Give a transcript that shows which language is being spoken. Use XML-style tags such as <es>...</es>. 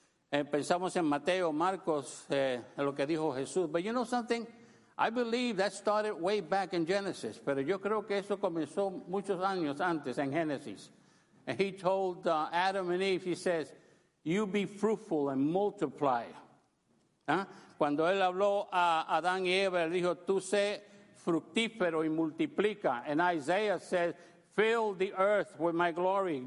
<es>Pensamos en Mateo, Marcos, en lo que dijo Jesús.</es> <en>But you know something? I believe that started way back in Genesis.</en> <es>Pero yo creo que eso comenzó muchos años antes en Genesis.</es> <en>And he told Adam and Eve, he says, you be fruitful and multiply.</en> <es>Cuando él habló a Adán y Eva, él dijo, tú sé fructífero y multiplica.</es> <en>And Isaiah says, fill the earth with my glory.</en>